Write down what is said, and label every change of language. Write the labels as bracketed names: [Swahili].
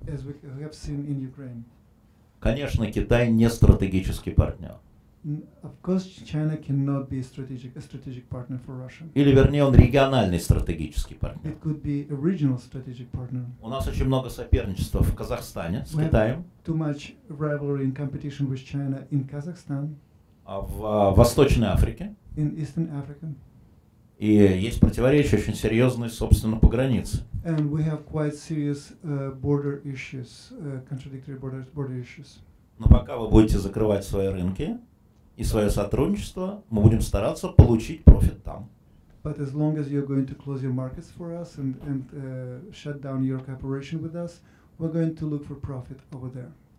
[English] As we have seen in Ukraine. [Russian] К Конечно, Китай не стратегический партнер. [English] Of course, China cannot be a strategic partner for Russia. [Russian] Или, вернее, он региональный стратегический партнер. [English] It could be a regional strategic partner. [Russian] У нас очень много соперничества в Казахстане с Китаем. [English] Too much rivalry and competition with China in Kazakhstan. [Russian] В Восточной Африке. [English] In Eastern Africa. [Russian] И есть противоречия очень серьезные, собственно, по границе. [English] And we have quite serious border issues, contradictory border issues. [Russian] Но пока вы будете закрывать свои рынки и свое сотрудничество, мы будем стараться получить профит там. [English] But as long as you're going to close your markets for us and shut down your cooperation with us, we're going to look for profit over there.